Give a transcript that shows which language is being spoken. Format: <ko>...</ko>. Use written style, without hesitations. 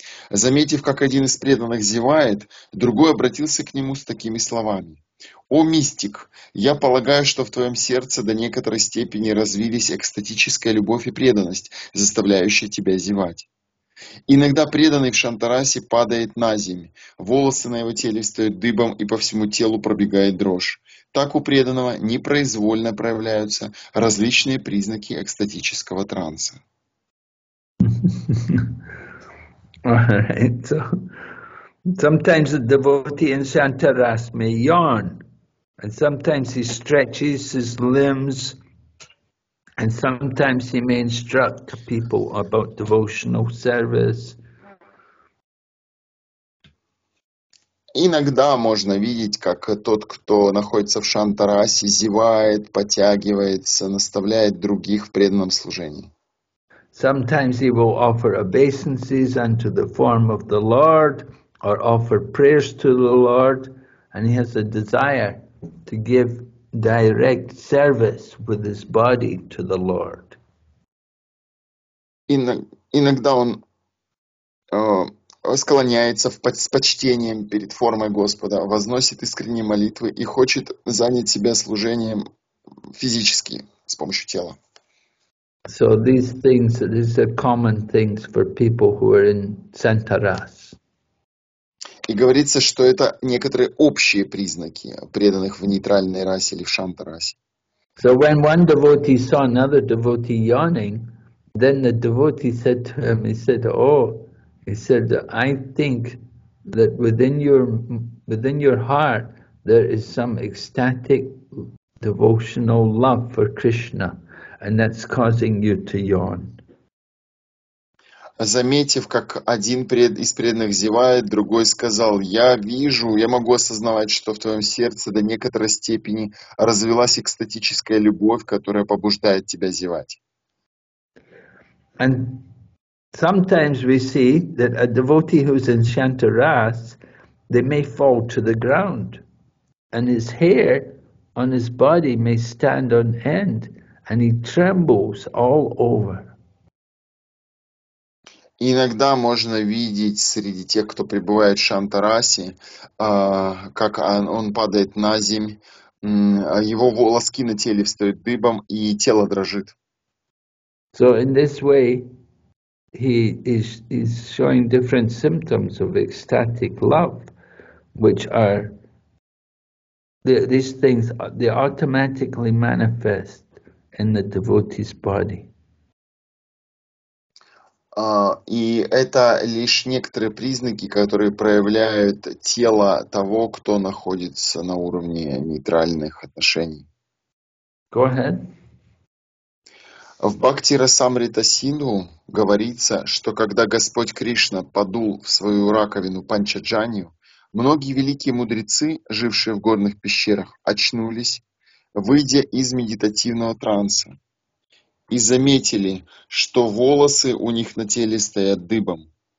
<ru>Заметив, как один из преданных зевает, другой обратился к нему с такими словами: «О, мистик, я полагаю, что в твоем сердце до некоторой степени развились экстатическая любовь и преданность, заставляющая тебя зевать». Иногда преданный в Шантарасе падает на землю, волосы на его теле встают дыбом и по всему телу пробегает дрожь. так у преданного непроизвольно проявляются различные признаки экстатического транса.</ru> <en>Alright, so sometimes the devotee in Shantaras may yawn, and sometimes he stretches his limbs, and sometimes he may instruct people about devotional service.</en> <ru>Иногда можно видеть, как тот, кто находится в Шантарасе, зевает, потягивается, наставляет других в преданном служении.</ru> <en>Sometimes he will offer obeisances unto the form of the Lord, or offer prayers to the Lord, and he has a desire to give direct service with his body to the Lord.</en> <ru>Иногда он склоняется с почтением перед формой Господа, возносит искренние молитвы и хочет занять себя служением физически с помощью тела.</ru> <en>So these things, these are common things for people who are in Shantaras.</en> <ru>И говорится, что это некоторые общие признаки преданных в нейтральной расе или в Шантарасе.</ru> <en>So when one devotee saw another devotee yawning, then the devotee said to him, he said, I think that within your heart there is some ecstatic devotional love for Krishna. And that's causing you to yawn.</en> <ru>Заметив, как один из преданных зевает, другой сказал: я могу осознавать, что в твоем сердце до некоторой степени развилась экстатическая любовь, которая побуждает тебя зевать.</ru> <en>And sometimes we see that a devotee who's in Shantaras, they may fall to the ground, and his hair on his body may stand on end. And he trembles all over.</en> <ru>Иногда можно видеть среди тех, кто пребывает в Шантарасе, как он падает на землю, его волоски на теле встают дыбом, и тело дрожит.</ru> <en>So in this way, he is showing different symptoms of ecstatic love, which are these things, they automatically manifest in the devotee's body.</en> <ru>И это лишь некоторые признаки, которые проявляют тело того, кто находится на уровне нейтральных отношений.</ru> <en>Go ahead.</en> <ru>В Бхакти Расамрита Синдху говорится, что когда Господь Кришна подул в свою раковину Панчаджанью, многие великие мудрецы, жившие в горных пещерах, очнулись, выйдя из медитативного транса, и заметили, что волосы у них на теле стоят дыбом.</ru>